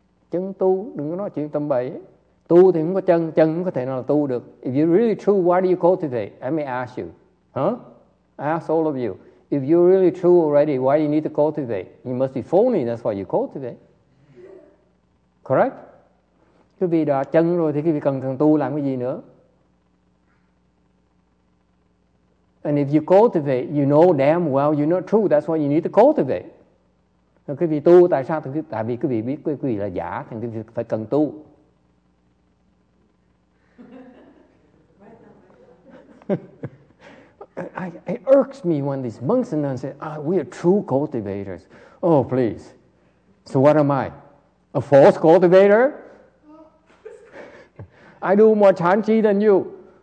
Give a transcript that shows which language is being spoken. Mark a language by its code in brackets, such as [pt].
[vi] Chân tu, đừng có nói chuyện tâm bậy. Tu thì không có chân, chân không có thể nào là tu được. [en] If you're really true, why do you cultivate? Let me ask you. Huh? I ask all of you. If you're really true already, why do you need to cultivate? You must be phony, that's why you cultivate. Correct? [vi] Quý vị đã chân rồi thì quý vị cần tu làm cái gì nữa? [en] And if you cultivate, you know damn well you're not true, that's why you need to cultivate. [vi] Quý vị tu tại sao? Tại vì quý vị biết quý vị là giả, thì quý vị phải cần tu. [en] It irks me when these monks and nuns say, we are true cultivators. Oh, please. So what am I? A false cultivator? I do more Chan Chi than you.